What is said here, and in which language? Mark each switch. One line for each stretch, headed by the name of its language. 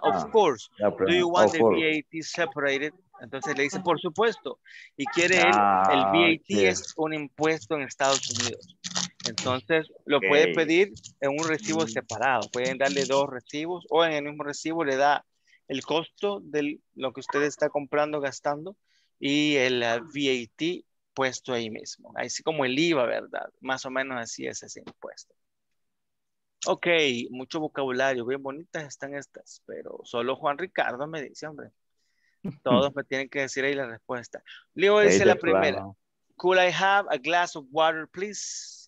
English: Of course, do you want the VAT separated?
Spanish: Entonces le dice, por supuesto. Y quiere él, el VAT es un impuesto en Estados Unidos. Entonces lo puede pedir en un recibo separado. Pueden darle dos recibos o en el mismo recibo le da el costo de lo que usted está comprando, gastando, y el VAT puesto ahí mismo. Así como el IVA, ¿verdad? Más o menos así es ese impuesto. Ok, mucho vocabulario. Bien bonitas están estas, pero solo Juan Ricardo me dice, hombre. Todos me tienen que decir ahí la respuesta. Leo dice la primera.
English: Could I have a glass of water, please?